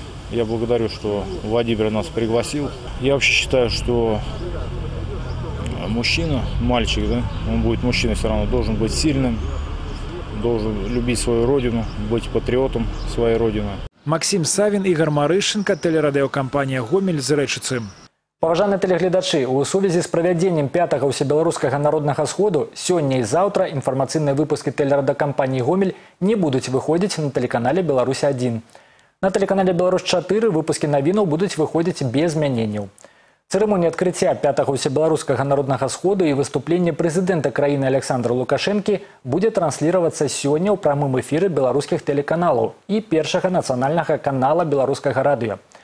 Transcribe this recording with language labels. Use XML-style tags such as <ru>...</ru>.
<ru>Я благодарю, что Владимир нас пригласил. Я вообще считаю, что мужчина, мальчик, да, он будет мужчиной все равно, должен быть сильным, должен любить свою родину, быть патриотом своей родины. Максим Савин, Игорь Марышенко, телерадиокомпания «Гомель» з Речицы.</ru> <be>Поважаны телеглядачы, у сувязі з правядзеннем 5-го Усебеларускага народнага сходу сёння і заўтра інфармацыйныя выпускі телерадакампаніі «Гомель» не будуць выходзіць на телеканале «Беларусь-1».</be> <ru>На телеканале «Беларусь-4» выпуски новинок будут выходить без изменений. Церемония открытия 5-го Всебелорусского народного схода и выступление президента страны Александра Лукашенко будет транслироваться сегодня в прямом эфире белорусских телеканалов и первого национального канала белорусского радио.</ru>